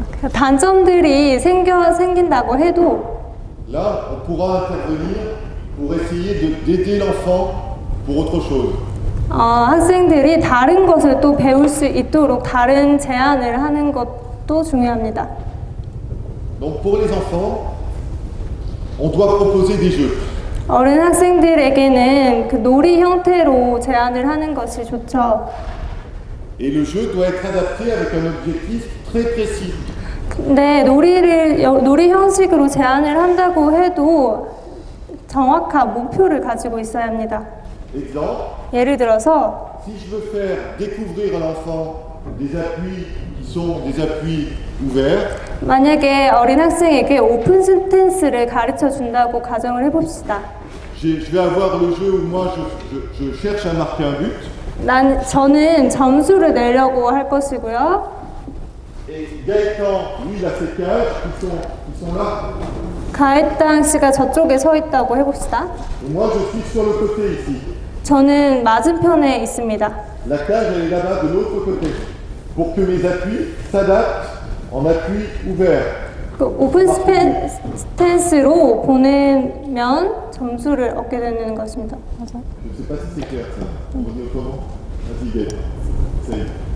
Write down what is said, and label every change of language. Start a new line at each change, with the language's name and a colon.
Korean: 단점들이 생긴다고 해도
French: là, on pourra intervenir pour essayer d'aider l'enfant pour autre chose.
Korean: 학생들이 다른 것을 또 배울 수 있도록 다른 제안을 하는 것도 중요합니다.
French: Donc pour les enfants, on doit proposer des jeux.
Korean: 어린 학생들에게는 그 놀이 형태로 제안을 하는 것이 좋죠.
French: Et le jeu doit être adapté avec un objectif très précis.
Korean: 근데 놀이 형식으로 제안을 한다고 해도 정확한 목표를 가지고 있어야 합니다.
French: Exemple,
Korean: 예를 들어서
French: si je veux faire découvrir à l'enfant des appuis qui sont des appuis ouverts.
Korean: 만약에 어린 학생에게 오픈 스탠스를 가르쳐 준다고 가정을 해봅시다.
French: Je vais avoir le jeu où moi je cherche à marquer un but.
Korean: 저는 점수를 내려고 할 것이고요.
French: Et Gaëtan, lui, il a ses cages qui sont là.
Korean: 가에탄 씨가 저쪽에 서 있다고 해봅시다.
French: Moi, je suis sur le côté ici.
Korean: 저는 맞은편에 있습니다.
French: La cage est là-bas de l'autre côté. Pour que mes appuis s'adaptent en appui ouvert.
Korean: 오픈 스탠스로 보내면 점수를 얻게 되는 것입니다. 맞아.
French: Je ne sais pas si c'est clair ça. On dit autrement. Vas-y, Gaëtan. Essaye.